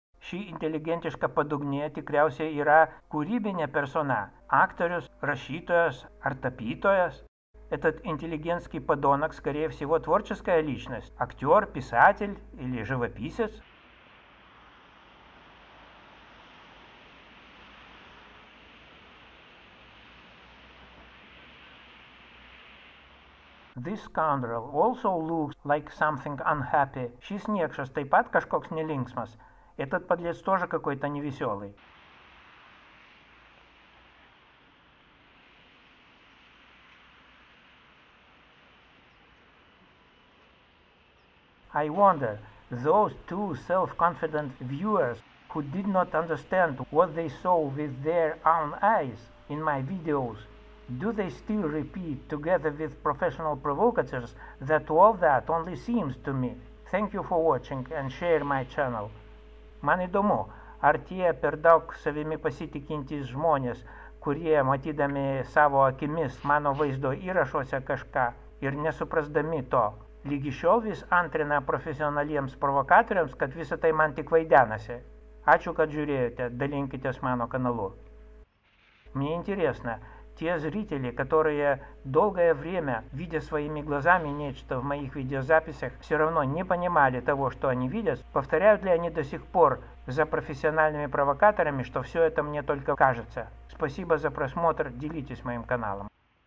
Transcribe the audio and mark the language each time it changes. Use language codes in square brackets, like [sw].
[lt] Ši intelligentiška padugnė tikriausiai yra kūrybinė persona, aktorius, rašytojas ar tapytojas. [ru] Этот интеллигентский подонок, скорее всего, творческая личность, актер, писатель или живописец. [en] This scoundrel also looks like something unhappy. [lt] Šis niekšas taip pat kažkoks nelinksmas. [ru] Этот подлец тоже какой-то невеселый. [en] I wonder, those two self-confident viewers who did not understand what they saw with their own eyes in my videos, do they still repeat, together with professional provocateurs, that all that only seems to me? Thank you for watching and share my channel. [lt] Man įdomu, ar tie per daug savimi pasitikintys žmonės, kurie matydami savo akimis mano vaizdo įrašuose kažką ir nesuprasdami to, Lygi šiol vis antrina profesionaliems provokatoriams, kad visa tai man tik vaidenasi. Ačiū, kad žiūrėjote, dalinkitės mano kanalu. [ru] Мне интересно, те зрители, которые долгое время, видя своими глазами нечто в моих видеозаписях, все равно не понимали того, что они видят, повторяют ли они до сих пор за профессиональными провокаторами, что все это мне только кажется. Спасибо за просмотр, делитесь моим каналом.